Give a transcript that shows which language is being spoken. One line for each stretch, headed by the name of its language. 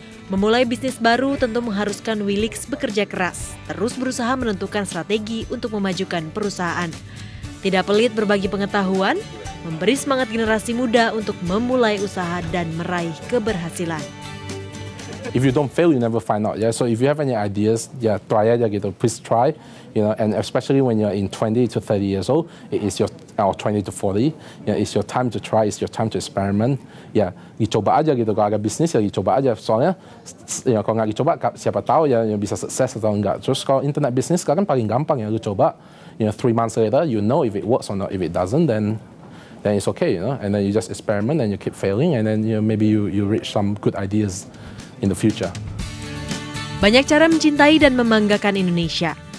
Indonesian: Memulai bisnis baru tentu mengharuskan Wilik bekerja keras, terus berusaha menentukan strategi untuk memajukan perusahaan. Tidak pelit berbagi pengetahuan, memberi semangat generasi muda untuk memulai usaha dan meraih keberhasilan.
English: If you don't fail, you never find out. Yeah. So if you have any ideas, yeah,
Indonesian: try aja gitu.
English: Please try. You know, and especially when you're in 20 to 30 years old, it is your or 20 to 40. Yeah, it's your time to try. It's your time to experiment.
Indonesian: Yeah, dicoba aja gitu. Kalau ada bisnis ya dicoba aja. Soalnya, you know, kalau nggak dicoba, siapa tahu ya yang bisa sukses atau enggak. Terus kalau internet bisnis sekarang paling gampang ya. Lu coba.
English: You know, 3 months later, you know if it works or not. If it doesn't, then it's okay. You know, and then you just experiment and you keep failing and then you know, maybe you reach some good ideas. In the future.
Indonesian: Banyak cara mencintai dan membanggakan Indonesia.